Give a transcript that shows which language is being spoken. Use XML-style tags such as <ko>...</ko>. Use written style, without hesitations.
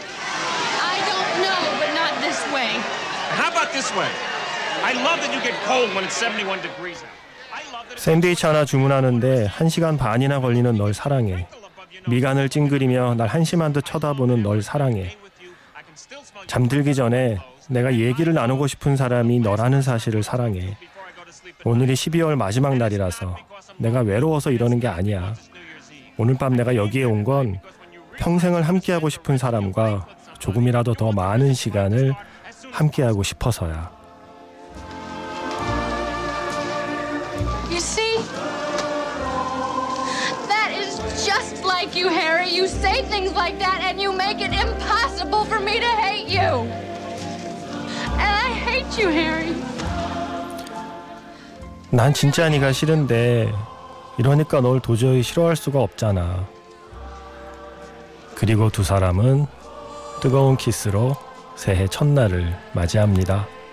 <en>I don't know, but not this way. How about this way? I love that you get cold when it's 71 degrees out.</en> <ko>샌드위치 하나 주문하는데 1시간 반이나 걸리는 널 사랑해. 미간을 찡그리며 날 한심한 듯 쳐다보는 널 사랑해. 잠들기 전에 내가 얘기를 나누고 싶은 사람이 너라는 사실을 사랑해. 오늘이 12월 마지막 날이라서 내가 외로워서 이러는 게 아니야. 오늘 밤 내가 여기에 온 건 평생을 함께하고 싶은 사람과 조금이라도 더 많은 시간을 함께하고 싶어서야.</ko> <en>You see? That is just like you, Harry. You say things like that and you make it impossible for me to hate you. And I hate you, Harry.</en> <ko>난 진짜 네가 싫은데 이러니까 널 도저히 싫어할 수가 없잖아. 그리고 두 사람은 뜨거운 키스로 새해 첫날을 맞이합니다.</ko>